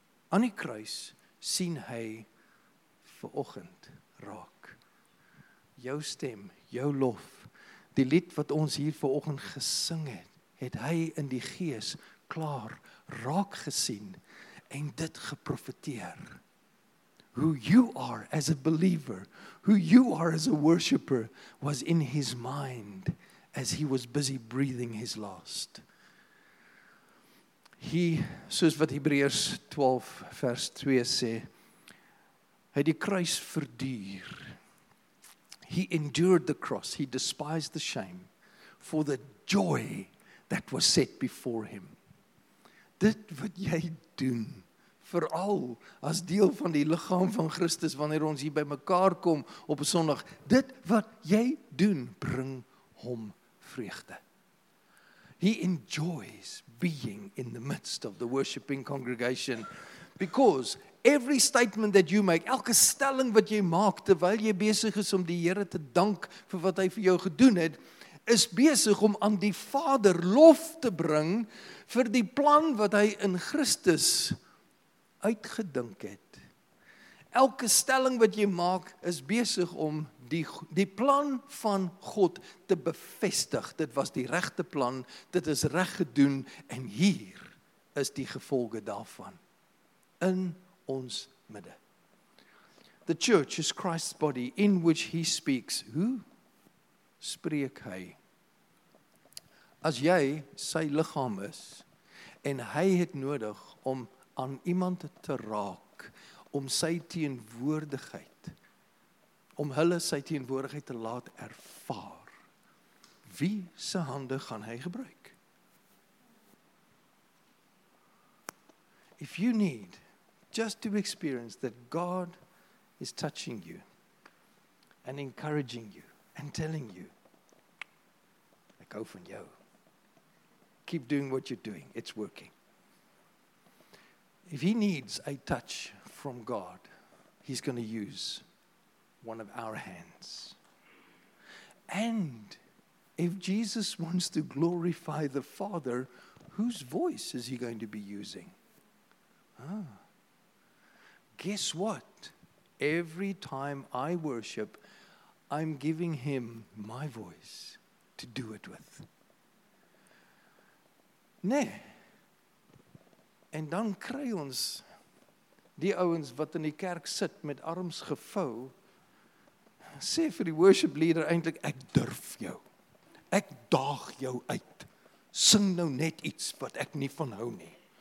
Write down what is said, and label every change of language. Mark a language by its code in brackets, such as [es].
[af] Aan die kruis sien hy vir oggend raak. jou stem, jou lof, die lied wat ons hier vanoggend gesing het, het hy in die gees klaar raak gesien en dit geprofeteer. [en] Who you are as a believer, who you are as a worshipper, was in his mind as he was busy breathing his last. [af] Soos wat Hebreërs 12 vers 2 sê, hy die kruis verduur. [en] He endured the cross, he despised the shame, for the joy that was set before him. [af] Dit wat jy doen, vooral as deel van die liggaam van Christus, wanneer ons hier by mekaar kom op 'n Sondag, dit wat jy doen, bring hom vreugde. [en] He enjoys being in the midst of the worshiping congregation, because every statement that you make, [af] elke stelling wat jy maak, terwyl jy besig is om die Here te dank vir wat hy vir jou gedoen het, is besig om aan die Vader lof te bring vir die plan wat hy in Christus uitgedink het. Elke stelling wat jy maak is besig om die plan van God te bevestig. Dit was die regte plan, dit is reg gedoen en hier is die gevolge daarvan in ons midde. [en] The church is Christ's body in which he speaks. [af] Hoe spreek hy? As jy sy liggaam is en hy het nodig om aan iemand te raak, om sy teenwoordigheid, om hulle sy teenwoordigheid te laat ervaar, wie se hande gaan hy gebruik? [en] If you need just to experience that God is touching you and encouraging you and telling you, [af] ek hou van jou. [en] Keep doing what you're doing. It's working. If he needs a touch from God, he's going to use one of our hands. And if Jesus wants to glorify the Father, whose voice is he going to be using? Guess what? Every time I worship, I'm giving him my voice to do it with. [af] Nee. En dan kry ons die ouens wat in die kerk sit met arms gevou, sê vir die worship leader eintlik, ek durf jou. Ek daag jou uit. Sing nou net iets wat ek nie van hou nie.